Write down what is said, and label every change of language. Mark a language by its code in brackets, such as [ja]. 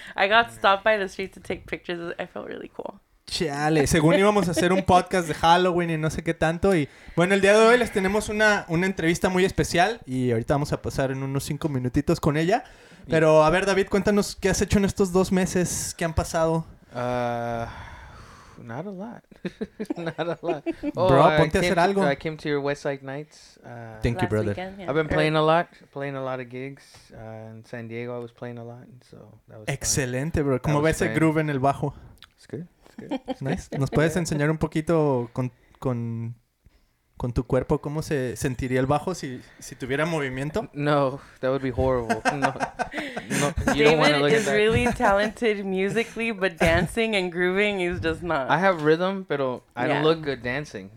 [en] I got stopped by the street to take pictures. I felt really cool. [es] Chale, según íbamos a hacer un podcast de Halloween y no sé qué tanto. Y bueno, el día de hoy les tenemos una entrevista muy especial. Y ahorita vamos a pasar en unos 5 minutitos con ella. Pero a ver, David, cuéntanos qué has hecho en estos 2 meses. ¿Qué han pasado? [en] Not a lot. Not a lot. [es] Oh, bro, ponte a hacer algo. [en] I came to your Westside Nights. Thank you, brother. Weekend, yeah. I've been playing a lot. Playing a lot of gigs. In San Diego, I was playing a lot. So that was [es] excelente, bro. ¿Cómo ves ese groove en el bajo? [en] It's good. It's good. Nice. [es] ¿Nos puedes enseñar un poquito con tu cuerpo cómo se sentiría el bajo si tuviera movimiento? [en] No, that would be horrible. No. No, you David don't want to look is at that. Really talented musically, but dancing and grooving is just not. I have rhythm, pero I don't look good dancing.